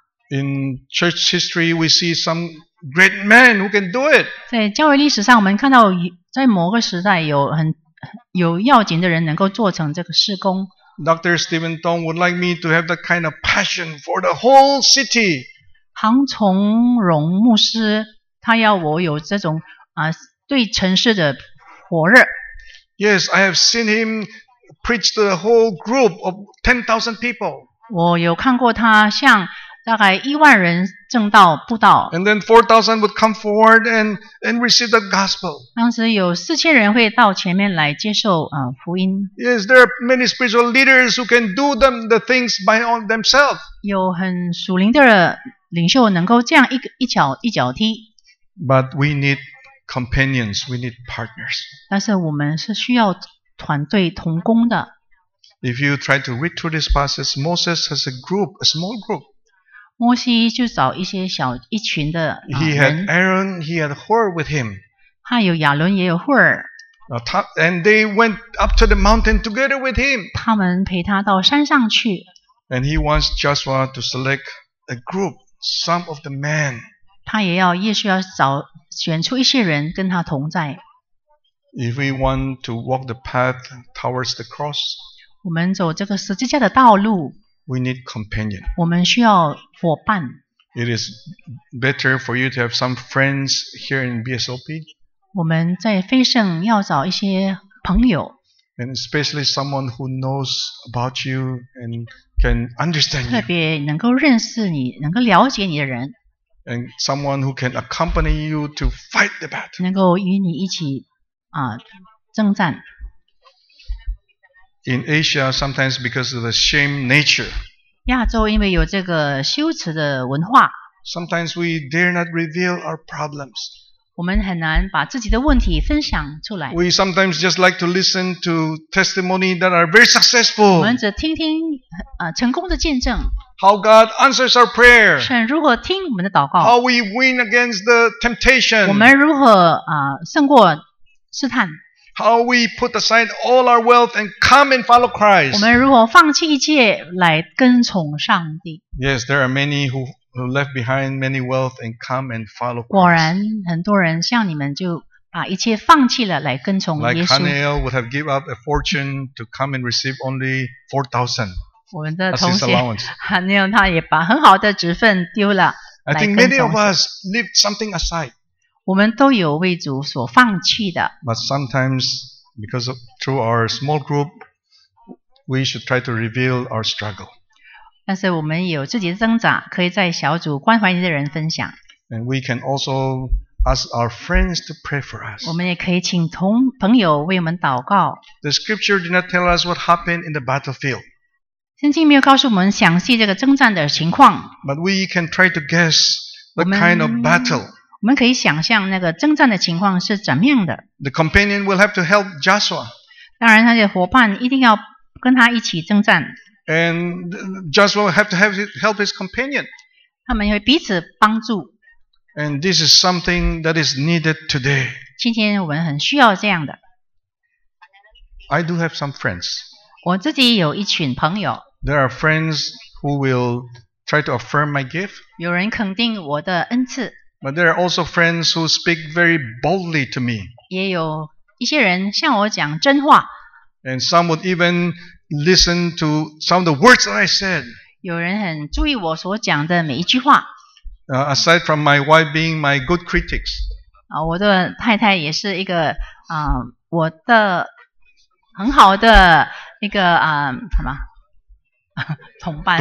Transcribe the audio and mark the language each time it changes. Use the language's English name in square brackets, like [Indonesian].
[English] In church history, we see some great men who can do it. [Chinese] 在教会历史上，我们看到在某个时代有很有要紧的人能够做成这个事工。 [English] Dr. Stephen Tong would like me to have that kind of passion for the whole city. [Chinese] 唐崇荣牧师他要我有这种对城市的火热。 [English] Yes, I have seen him preach to the whole group of 10,000 people. [Chinese] 我有看过他向大概一万人正道布道。 [English] And then 4,000 would come forward and receive the gospel. [Chinese] 当时有四千人会到前面来接受福音。 [English] Yes, there are many spiritual leaders who can do them the things by on themselves. [Chinese] 有很属灵的领袖能够这样一脚踢。 [English] But we need companions, we need partners. [Chinese] 但是我们是需要团队同工的。 [English] If you try to read through this passage, Moses has a group, a small group. [Chinese] 摩西就找一些小一群的人。 [English] He had Aaron, he had Hur with him. [Chinese] 他有亚伦，也有霍尔。 [English] And they went up to the mountain together with him. [Chinese] 他们陪他到山上去。 [English] And he wants Joshua to select a group, some of the men. [Chinese] 他也要耶稣要找选出一些人跟他同在。 [English] If we want to walk the path towards the cross, [Chinese] 我们走这个十字架的道路。 [English] We need companion. [Chinese] 我们需要伙伴。 [English] It is better for you to have some friends here in BSOP. [Chinese] 我们在飞圣要找一些朋友。 [English] And especially someone who knows about you and can understand you. [Chinese] 特别能够认识你，能够了解你的人。 [English] And someone who can accompany you to fight the battle. [Chinese] 能够与你一起征战。 [English] In Asia, sometimes because of the shame nature. [Chinese] 亚洲因为有这个羞耻的文化。 [English] Sometimes we dare not reveal our problems. [Chinese] 我们很难把自己的问题分享出来。 [English] We sometimes just like to listen to testimony that are very successful. [Chinese] 我们只听听成功的见证。 [English] How God answers our prayer. [Chinese] 神如何听我们的祷告。 [English] How we win against the temptation. [Chinese] 我们如何胜过试探。 [English] How we put aside all our wealth and come and follow Christ. [Chinese] 我们如何放弃一切来跟从上帝。 [English] Yes, there are many who left behind many wealth and come and follow Christ. [Chinese] 果然很多人像你们就把一切放弃了来跟从耶稣。 [English] Like Haniel would have given up a fortune to come and receive only 4,000. [Chinese] 我们的同学 Haniel 他也把很好的职分丢了。 [English] I think many of us leave something aside. [Chinese] 我们都有为主所放弃的。 [English] But sometimes, because of, through our small group, we should try to reveal our struggle. [Chinese] 但是我们有自己的挣扎，可以在小组关怀你的人分享。 [English] And we can also ask our friends to pray for us. [Chinese] 我们也可以请同朋友为我们祷告。 [English] The scripture did not tell us what happened in the battlefield. [Chinese] 圣经没有告诉我们详细这个征战的情况。 [English] But we can try to guess the kind of battle. [Chinese] 我们可以想象那个征战的情况是怎么样的。 [English] The companion will have to help Joshua. [Chinese] 当然，他的伙伴一定要跟他一起征战。 [English] And Joshua will have to help his companion. [Chinese] 他们会彼此帮助。 [English] And this is something that is needed today. [Chinese] 今天我们很需要这样的。 [English] I do have some friends. [Chinese] 我自己有一群朋友。 [English] There are friends who will try to affirm my gift. [Chinese] 有人肯定我的恩赐。 [English] But there are also friends who speak very boldly to me. [Chinese] 也有一些人向我讲真话。 [English] And some would even listen to some of the words that I said. [Chinese] 有人很注意我所讲的每一句话。 [English] Aside from my wife being my good critics. [Chinese] 我的太太也是一个我的很好的一个什么同伴